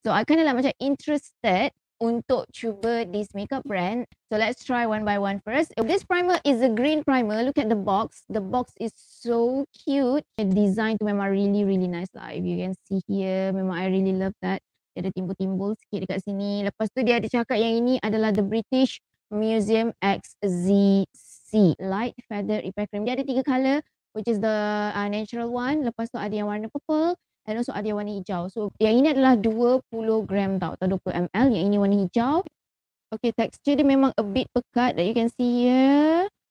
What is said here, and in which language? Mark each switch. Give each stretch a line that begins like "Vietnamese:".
English: So I kind of like
Malay: macam
English: interested
Malay: untuk cuba
English: this makeup brand. So let's try one by one first. This primer is a green primer. Look at the box. The box is so cute. The design
Malay: tu memang
English: really, really nice
Malay: lah.
English: If you can see here,
Malay: memang
English: I really love that.
Malay: Dia ada timbul-timbul sikit dekat sini. Lepas tu dia ada cakap yang ini adalah the British Museum X Zeesea.
English: Light Feather Repair Cream.
Malay: Dia ada 3 colour,
English: which is the natural one.
Malay: Lepas tu ada yang warna purple
English: and also
Malay: ada yang warna hijau. So yang ini adalah 20 gram tau, atau 20 ml. Yang ini warna hijau.
English: Okay, texture
Malay: dia memang
English: a bit
Malay: pekat
English: that you can see here.